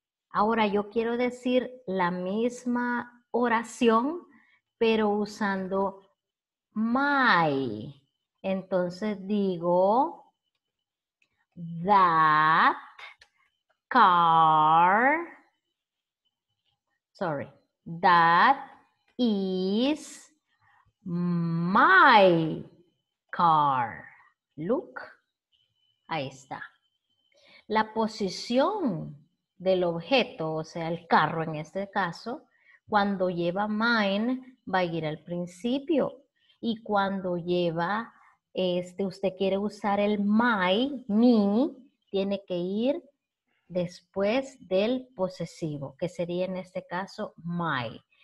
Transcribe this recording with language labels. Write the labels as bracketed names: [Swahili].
[Spanish] Ahora yo quiero decir la misma oración, pero usando my. Entonces digo, [English] that car, sorry, that is my car. Look, [Spanish] ahí está. La posición del objeto, o sea, el carro en este caso, cuando lleva mine, va a ir al principio. Y cuando lleva, usted quiere usar el my, mi, tiene que ir después del posesivo, que sería en este caso my.